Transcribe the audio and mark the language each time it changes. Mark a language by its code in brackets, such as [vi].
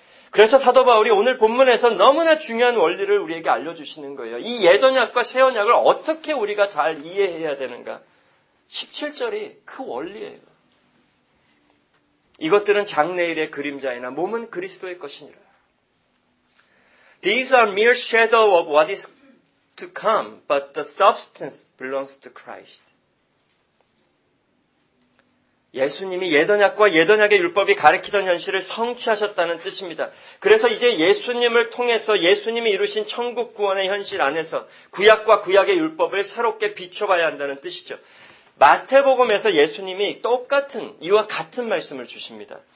[ko] 그래서 사도 바울이 오늘 본문에서 너무나 중요한 원리를 우리에게 알려주시는 거예요. 이 옛 언약과 새 언약을 어떻게 우리가 잘 이해해야 되는가. 17절이 그 원리예요. 이것들은 장래일의 그림자이나 몸은 그리스도의 것이니라. [en] These are mere shadow of what is to come, but the substance belongs to Christ. [ko] 예수님이 옛 언약과 옛 언약의 율법이 가르치던 현실을 성취하셨다는 뜻입니다. 그래서 이제 예수님을 통해서 예수님이 이루신 천국 구원의 현실 안에서 구약과 구약의 율법을 새롭게 비춰봐야 한다는 뜻이죠. 마태복음에서 예수님이 똑같은 이와 같은 말씀을 주십니다.